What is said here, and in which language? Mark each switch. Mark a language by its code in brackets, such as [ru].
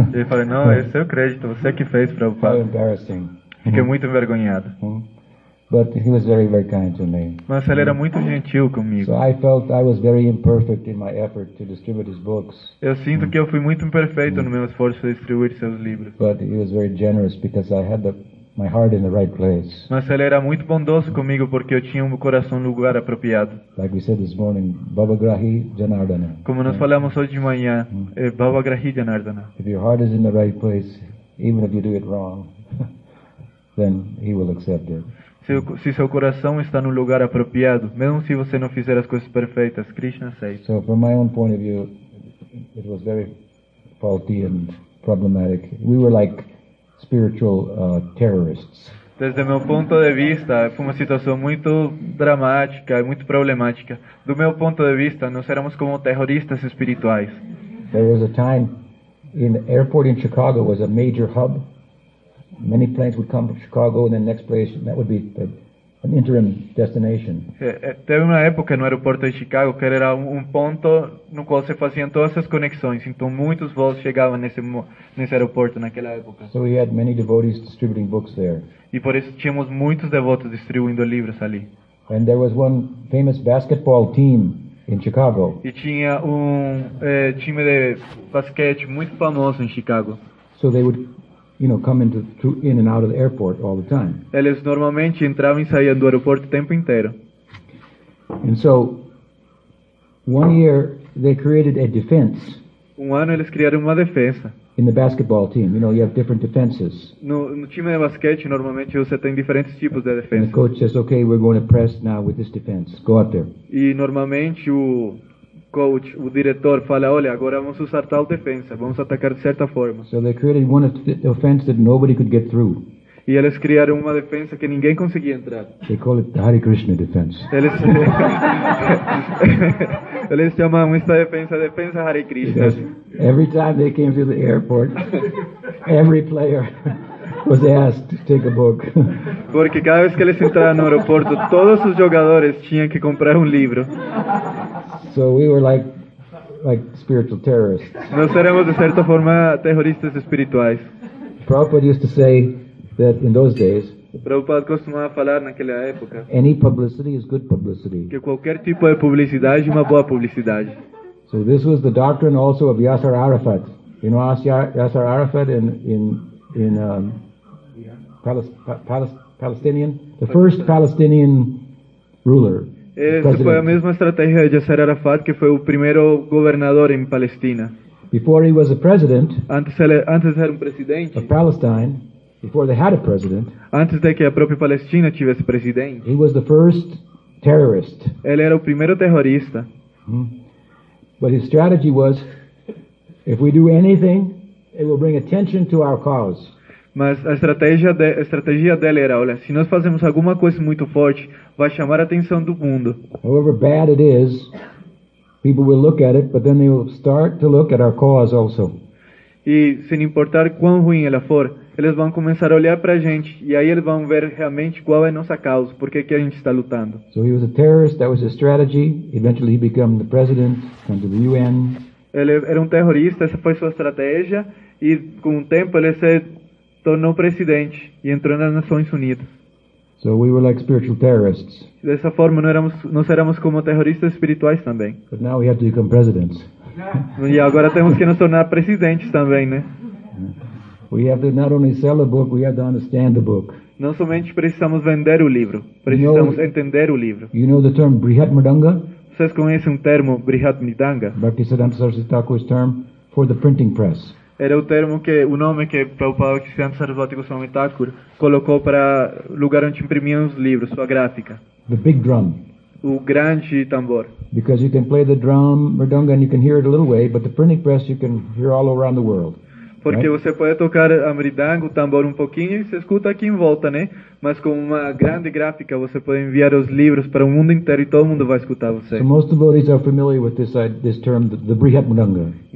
[pt] Ele falou, não, é seu crédito, você que fez, Prabhupada. [en] How embarrassing. [pt] Fiquei muito envergonhado. [en] But he was very, very kind to me. [pt] Mas ele era muito gentil comigo. [en] So I felt I was very imperfect in my effort to distribute his books. [pt] Eu sinto que eu fui muito imperfeito no meu esforço de distribuir seus livros. [en] But he was very generous because I had my heart in the right place. [pt] Mas ele era muito bondoso comigo porque eu tinha o coração no lugar apropriado. [en] Like we said this morning, Baba Grahi Janardana. [pt] Como nós falamos hoje de manhã, Baba Grahi Janardana. [en] If your heart is in the right place, even if you do it wrong, then he will accept it. [pt] Se seu coração está no lugar apropriado, mesmo se você não fizer as coisas perfeitas, Krishna aceita. [en] So from my own point of view, it was very faulty and problematic. We were like spiritual terrorists. [pt] Desde meu ponto de vista, foi uma situação muito dramática e muito problemática. Do meu ponto de vista, nós éramos como terroristas espirituais. [en] There was a time in the airport in Chicago was a major hub. Many planes would come from Chicago and then next place, and that would be an interim destination. [pt] Teve uma época no aeroporto de Chicago que era ponto no qual se faziam todas as conexões, então muitos voos chegavam nesse aeroporto naquela época. [en] So we had many devotees distributing books there. [pt] E por isso tínhamos muitos devotos distribuindo livros ali. [en] And there was one famous basketball team in Chicago. [pt] E tinha time de basquete muito famoso em Chicago. [en] So they would come in and out of the airport all the time. [pt] Eles normalmente entravam e saíam do aeroporto o tempo inteiro. [en] And so, one year they created a defense. [pt] Ano eles criaram uma defesa. [en] In the basketball team, you have different defenses. [pt] No time de basquete normalmente você tem diferentes tipos de defesa. [en] And the coach says, okay, we're going to press now with this defense. Go out there. [pt] E normalmente o coach, o diretor fala, olha, agora vamos usar tal defensa, vamos atacar de certa forma. [en] So they created one offense that nobody could get through. [pt] E eles criaram uma defensa que ninguém conseguia entrar. [en] They call it the Hare Krishna defense. [pt] Eles chamam esta defensa Hare Krishna. Yes. [en] Every time they came through the airport, every player was asked to take a book. [pt] Porque cada vez que eles entraram no aeroporto, todos os jogadores tinham que comprar livro. [en] So we were like spiritual terrorists. [pt] Nós éramos de certa forma terroristas espirituais. [en] Prabhupada used to say that in those days. [pt] Prabhupada costumava falar naquela época. [en] Any publicity is good publicity. [pt] Que qualquer tipo de publicidade é uma boa publicidade. [en] So this was the doctrine also of Yasser Arafat. Yasser Arafat Palestinian, the first Palestinian ruler. [pt] Essa foi a mesma estratégia de Yasser Arafat, que foi o primeiro governador em Palestina. [en] Before he was a president, [pt] antes de ser presidente, [en] of Palestine, before they had a president, [pt] antes de que a própria Palestina tivesse presidente, [en] he was the first terrorist. [pt] Ele era o primeiro terrorista. [en] But his strategy was, if we do anything, it will bring attention to our cause. [pt] Mas a estratégia dele era, olha, se nós fazemos alguma coisa muito forte, vai chamar a atenção do mundo. [en] However bad it is, people will look at it, but then they will start to look at our cause also. [pt] E sem importar quão ruim ela for, eles vão começar a olhar para a gente, e aí eles vão ver realmente qual é a nossa causa, por que a gente está lutando. [en] So he was a terrorist, that was his strategy. Eventually he became the president, went to the UN. [pt] Ele era terrorista, essa foi sua estratégia, e com o tempo ele se tornou presidente e entrou nas Nações Unidas. [en] So we were like spiritual terrorists. [pt] Dessa forma, nós éramos como terroristas espirituais também. [en] But now we have to become presidents. [pt] E agora temos que nos tornar presidentes também, né? [en] We have to not only sell the book, we have to understand the book. [pt] Não somente precisamos vender o livro, precisamos entender o livro. [en] You know the term Brihat Mridanga? [pt] Vocês conhecem termo Brihat Mridanga? [en] Bhaktisiddhanta Saraswati Thakur's term for the printing press. [pt] Era o nome que Prabhupada Bhaktisiddhanta Saraswati Goswami Thakur colocou para o lugar onde imprimiam os livros, sua gráfica. [en] The big drum. [pt] O grande tambor. [en] Because you can play the drum Mridanga and you can hear it a little way, but the printing press you can hear all around the world. [pt] Porque [en] right? [pt] Você pode tocar a mridanga, o tambor pouquinho e se escuta aqui em volta, né? Mas com uma grande gráfica você pode enviar os livros para o mundo inteiro e todo mundo vai escutar você. [en] So most devotees are familiar with this term, the Brihat Mridanga.